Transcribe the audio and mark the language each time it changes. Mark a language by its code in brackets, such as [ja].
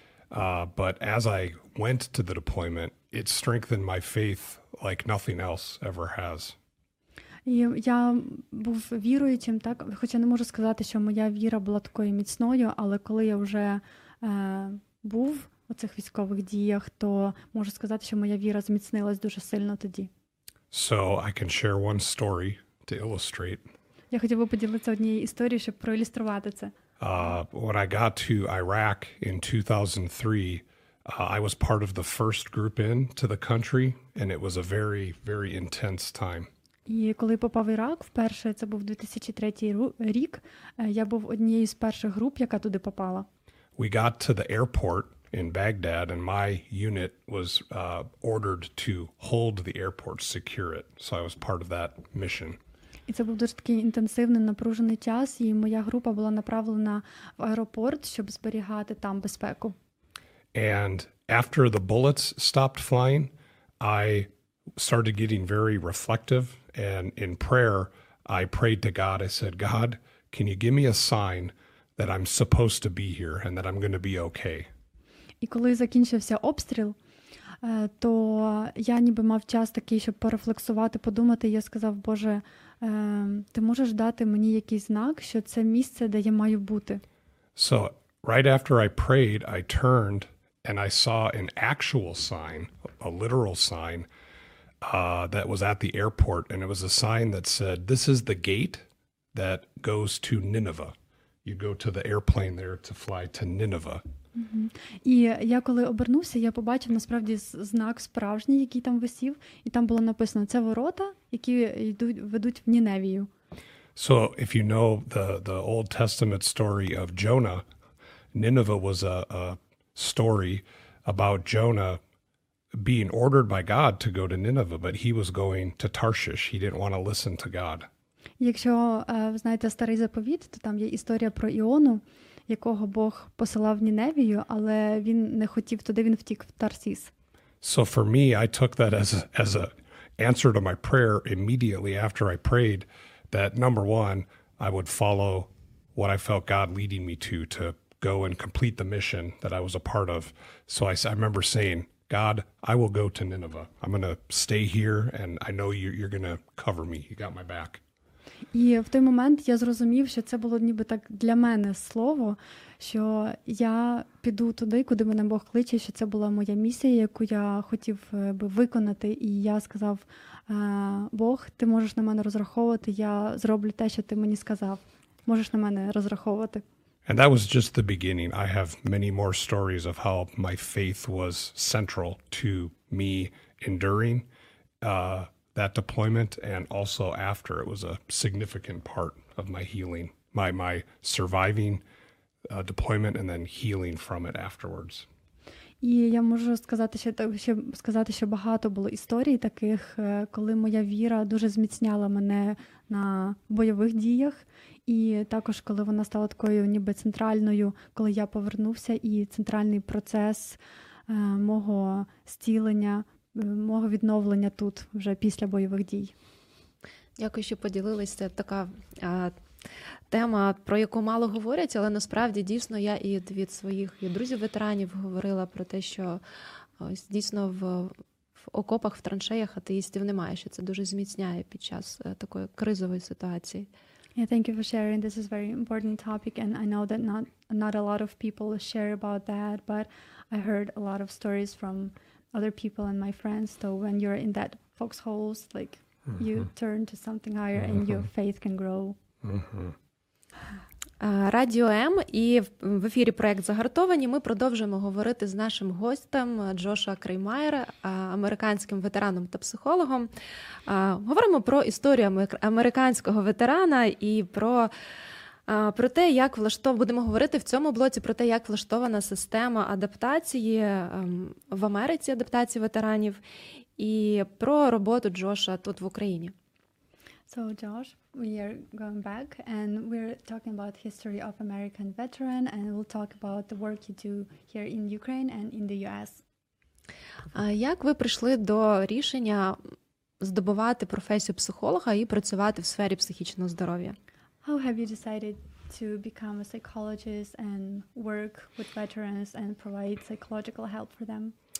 [en] But as I went to the deployment, it strengthened my faith like nothing else ever has. [uk] Я був віруючим, так, хоча не можу сказати, що моя віра була такою міцною, але коли я вже був у цих військових діях, то можу сказати, що моя віра зміцнилась дуже сильно тоді. [en] So I can share one story to illustrate. [uk] Я хотів би поділитися однією історією, щоб проілюструвати це. [en] When I got to Iraq in 2003, I was part of the first group in to the country, and it was a very, very intense time. [uk] І коли попав в Ірак вперше, це був 2003 рік, я був однією з перших груп, яка туди попала. [en] We got to the airport in Baghdad, and my unit was ordered to hold the airport, secure it. So I was part of that mission. [uk] І це був дуже такий інтенсивний, напружений час, і моя група була направлена в аеропорт, щоб зберігати там безпеку. [en] And after the bullets stopped flying, I started getting very reflective, and in prayer, I prayed to God. I said, God, can you give me a sign that I'm supposed to be here and that I'm going to be okay? [uk] І коли закінчився обстріл, то я ніби мав час такий, щоб порефлексувати, подумати, я сказав, Боже, ти можеш дати мені якийсь знак, що це місце, де я маю бути? [en] So, right after I prayed, I turned and I saw an actual sign, a literal sign, that was at the airport, and it was a sign that said, this is the gate that goes to Nineveh. You go to the airplane there to fly to Nineveh. [uk] І я коли обернувся, я побачив насправді знак справжній, який там висів, і там було написано: "Це ворота, які йдуть ведуть в Ніневію". [en] So, if you know the Old Testament story of Jonah, Nineveh was a story about Jonah being ordered by God to go to Nineveh, but he was going to Tarshish. He didn't want to listen to God. [uk] Якщо ви знаєте старий заповіт, то там є історія про Іону, якого Бог посилав в Ніневію, але він не хотів туди, він втік в Тарсіс. [en] So for me, I took that as a answer to my prayer immediately after I prayed that number one, I would follow what I felt God leading me to go and complete the mission that I was a part of. So I remember saying, God, I will go to Nineveh. I'm going to stay here and I know you're going to cover me. You got my back. [uk] І в той момент я зрозумів, що це було ніби так для мене слово, що я піду туди, куди мене Бог кличе, що це була моя місія, яку я хотів би виконати. І я сказав, Бог, ти можеш на мене розраховувати, я зроблю те, що ти мені сказав. Можеш на мене розраховувати. [en] And that was just the beginning. I have many more stories of how my faith was central to me enduring that deployment, and also after, it was a significant part of my healing, my surviving deployment and then healing from it afterwards. [uk] І я можу сказати, що багато було історій таких, коли моя віра дуже зміцняла мене на бойових діях, і також коли вона стала такою ніби центральною, коли я повернувся, і центральний процес мого зцілення, мого відновлення тут вже після бойових дій. Дякую, що поділилися. Це така тема, про яку мало говорять, але насправді дійсно я і від своїх і друзів-ветеранів говорила про те, що ось дійсно в окопах, в траншеях атеїстів немає, що це дуже зміцняє під час такої кризової ситуації. [en] Yeah, thank you for sharing. This is a very important topic, and I know that not a lot of people share about that, but I heard a lot of stories from other people and my friends, so when you're in that foxholes, like mm-hmm. you turn to something higher mm-hmm. and your faith can grow. Mm-hmm. [uk] Радіо М, і в ефірі проект «Загартовані». Ми продовжуємо говорити з нашим гостем Джошуа Креймаєр, американським ветераном та психологом. Говоримо про історію американського ветерана і про те, як будемо говорити в цьому блоці про те, як влаштована система адаптації в Америці, адаптації ветеранів, і про роботу Джоша тут в Україні. [en] So, Josh, we are going back and we're talking about history of American veteran and we'll talk about the work you do here in Ukraine and in the US. [uk] Як ви прийшли до рішення здобувати професію психолога і працювати в сфері психічного здоров'я? [en] How have you decided to become a psychologist and work with veterans and provide psychological help for them?